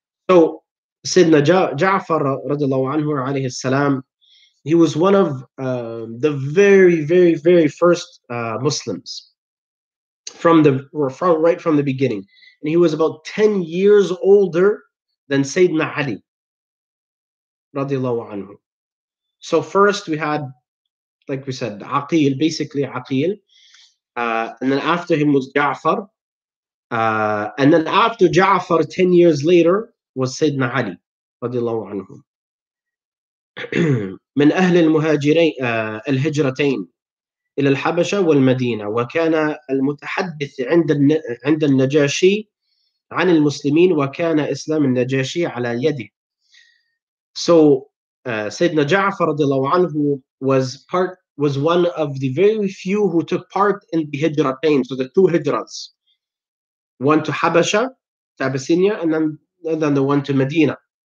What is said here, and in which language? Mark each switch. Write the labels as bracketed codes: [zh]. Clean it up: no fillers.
[en] So [ar] سيدنا جعفر رضي الله عنه عليه السلام, [en] he was one of the very very very first Muslims from the beginning, and he was about 10 years older than Sayyidina Ali radiallahu anhu. So first we had, like we said, Aqil, basically Aqil, and then after him was Ja'far, and then after Ja'far 10 years later was Sayyidina Ali radiallahu anhu. [ar] من أهل المهاجرين الهجرتين إلى الحبشة والمدينة وكان المتحدث عند النجاشي عن المسلمين وكان إسلام النجاشي على يده. [en] So Sayyidina Ja'far radiallahu anhu was one of the very few who took part in the hijratain, so the two hijras, one to Habasha, to Abyssinia, and then the one to Medina.